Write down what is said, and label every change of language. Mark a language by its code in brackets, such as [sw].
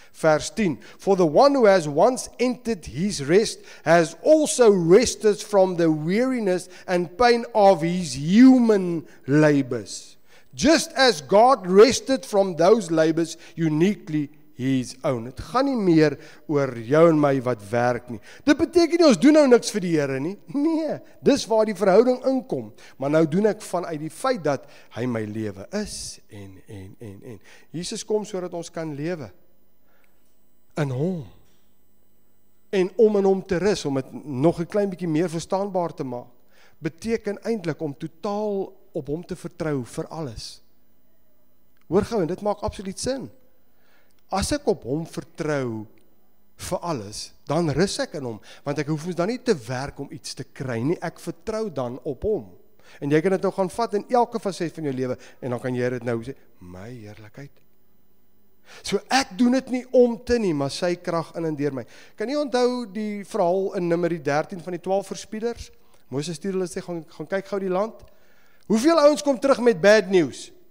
[af] Vers 10, [en] for the one who has once entered his rest has also rested from the weariness and pain of his human labors, just as God rested from those labors uniquely his own. [af] Het gaan nie meer oor jou en my wat werk nie. Dit beteken nie, ons doen nou niks vir die Here nie. Nee, dis waar die verhouding inkom. Maar nou doen ek vanuit die feit dat hy my lewe is, en. Jesus kom sodat ons kan lewe in hom. En om in hom te rus, om het nog een klein bietjie meer verstaanbaar te maak, beteken eintlik om totaal op hom te vertrou vir alles. Hoor gou, en dit maak absoluut sin. As ek op hom vertrou vir alles, dan rus ek in hom, want ek hoef ons dan nie te werk om iets te kry nie, ek vertrou dan op hom. En jy kan dit nou gaan vat in elke facet van jou lewe, en dan kan jy dit nou sê, my heerlikheid, So ek doen het nie om te nie, maar sy krag in en deur my. Kan jy onthou die verhaal in nummerie 13 van die 12 verspieders? Moses stuur hulle sê, gaan kyk gauw die land. Hoeveel ouens kom terug met [en] bad news?